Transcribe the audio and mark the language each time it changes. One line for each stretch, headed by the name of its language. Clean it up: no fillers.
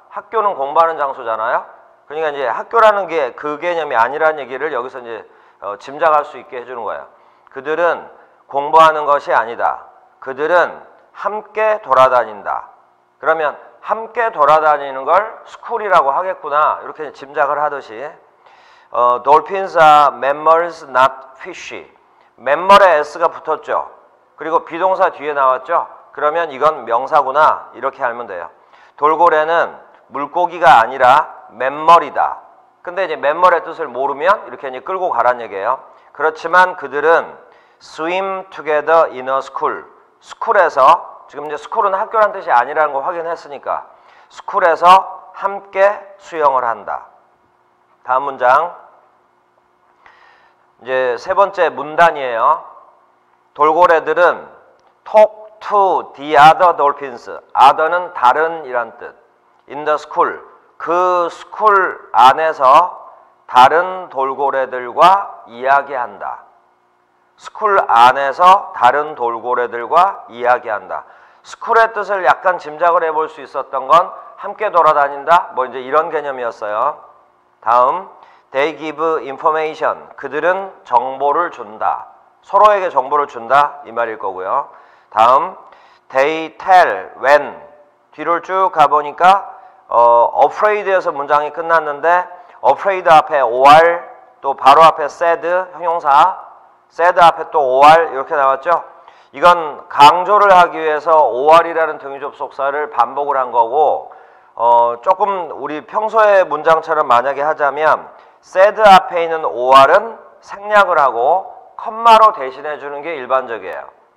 Korean: 학교는 공부하는 장소잖아요. 그러니까 이제 학교라는 게그 개념이 아니라는 얘기를 여기서 이제 짐작할 수 있게 해주는 거예요. 그들은 공부하는 것이 아니다. 그들은 함께 돌아다닌다. 그러면 함께 돌아다니는 걸 스쿨이라고 하겠구나. 이렇게 짐작을 하듯이.
English: Dolphins are mammals, not fish.
Korean: 맨멀에 S가 붙었죠. 그리고 비동사 뒤에 나왔죠. 그러면 이건 명사구나. 이렇게 알면 돼요. 돌고래는 물고기가 아니라 맷머리다. 근데 이제 맷머리의 뜻을 모르면 이렇게 이제 끌고 가란 얘기예요. 그렇지만 그들은
English: swim together in a school.
Korean: 스쿨에서 지금 이제 스쿨은 학교란 뜻이 아니라는 거 확인했으니까 스쿨에서 함께 수영을 한다. 다음 문장. 이제 세 번째 문단이에요. 돌고래들은
English: talk to the other dolphins.
Korean: other는 다른이란 뜻.
English: in the school.
Korean: 그 스쿨 안에서 다른 돌고래들과 이야기한다. 스쿨 안에서 다른 돌고래들과 이야기한다. 스쿨의 뜻을 약간 짐작을 해볼 수 있었던 건 함께 돌아다닌다. 뭐 이제 이런 개념이었어요.
English: 다음, they give information.
Korean: 그들은 정보를 준다. 서로에게 정보를 준다. 이 말일 거고요.
English: 다음, they tell when.
Korean: 뒤를 쭉 가보니까 afraid에서 문장이 끝났는데 afraid 앞에 or 또 바로 앞에 sad 형용사 sad 앞에 또 or 이렇게 나왔죠. 이건 강조를 하기 위해서 or이라는 등유접속사를 반복을 한 거고 조금 우리 평소의 문장처럼 만약에 하자면 sad 앞에 있는 or은 생략을 하고 콤마로 대신해 주는 게 일반적이에요.